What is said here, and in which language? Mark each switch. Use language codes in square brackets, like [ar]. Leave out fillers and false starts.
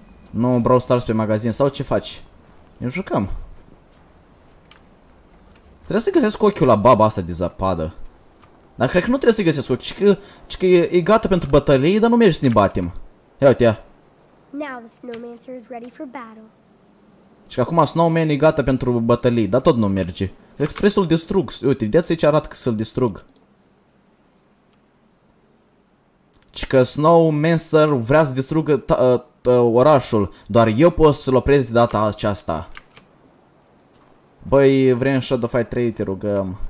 [ro] Nu, Brawl Stars pe magazin, sau ce faci? Ne jucăm. Trebuie să găsesc ochiul la baba asta de zapadă. Dar cred că nu trebuie să găsesc ochiul, ci că e gata pentru bătălie, dar nu merge să ne batem. Ia uite ea. [en] Now the Snowmancer is ready for battle. [ro] Și că acum Snowman e gata pentru bătălie, dar tot nu merge. Cred că trebuie să-l distrug. Uite, vedeți aici arată că să-l distrug. Și că Snowmancer vrea să distrugă orașul. Doar eu pot să-l opresc de data aceasta. Băi, vrem Shadow Fight 3, te rugăm.